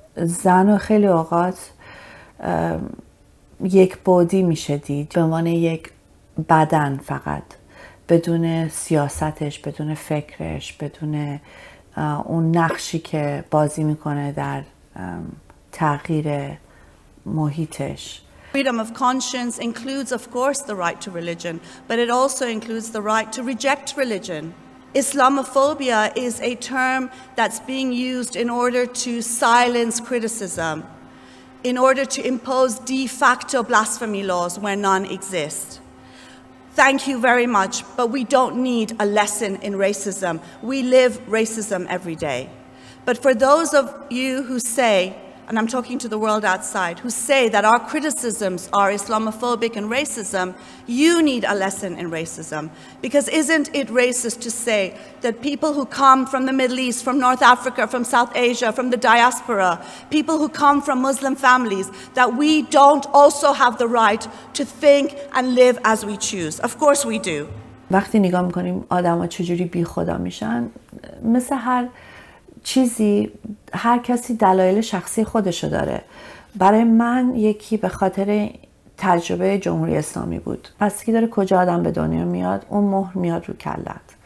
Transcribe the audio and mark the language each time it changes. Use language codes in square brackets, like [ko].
[fa] زن خیلی اوقات یک بودی میشه دید به عنوان یک بدن فقط، بدون سیاستش، بدون فکرش، بدون اون نقشی که بازی میکنه در تغییر محیطش. [en] Freedom of conscience includes of course the right to religion, but it also includes the right to reject religion. Islamophobia is a term that's being used in order to silence criticism, in order to impose de facto blasphemy laws where none exist. thank you very much, but we don't need a lesson in racism. We live racism every day. But for those of you who say, and I'm talking to the world outside, who say that our criticisms are Islamophobic and racism, you need a lesson in racism. Because isn't it racist to say that people who come from the Middle East, from North Africa, from South Asia, from the diaspora, people who come from Muslim families, that we don't also have the right to think and live as we choose? Of course we do. [fa] وقتی نگاه میکنیم آدم ها چجوری بی خدا میشن، مثل هر چیزی هر کسی دلایل شخصی خودشو داره. برای من یکی به خاطر تجربه جمهوری اسلامی بود. پس کی داره کجا آدم به دنیا میاد، اون مهر میاد رو کلت.